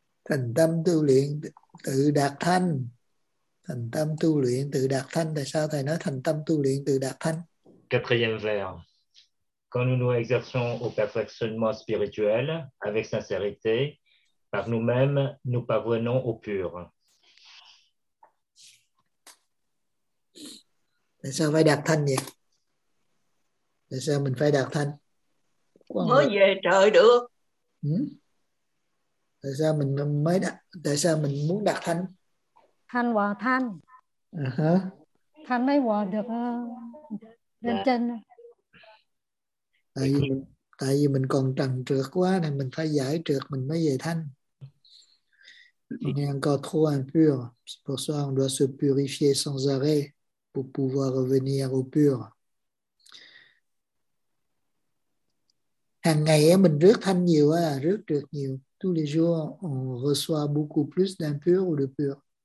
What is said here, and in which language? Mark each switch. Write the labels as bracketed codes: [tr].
[vi] Thành tâm tu luyện tự đạt thanh. Thành tâm tu luyện tự đạt thanh. Tại sao thầy nói thành tâm tu luyện tự đạt thanh? [fr] Quatrième vers. Quand nous nous exerçons au perfectionnement spirituel avec sincérité, par nous-mêmes, nous parvenons au pur. Ça va être d'attendre. [vi] Tại sao mình phải đạt thanh? Mới về trời được. Tại sao mình mới đạt? Tại sao mình muốn đạt thanh? Thanh hòa thanh. Thanh mới hòa được lên trên. Tại vì mình còn trần trượt quá nên mình phải giải trượt mình mới về thanh. [fr] On est encore trop impur, c'est pour ça qu'on doit se purifier sans arrêt pour pouvoir revenir au pur. [vi] Hàng ngày mình rước thanh nhiều, rước trượt nhiều. [fr] Tous les jours, on reçoit beaucoup plus d'impur ou de pur.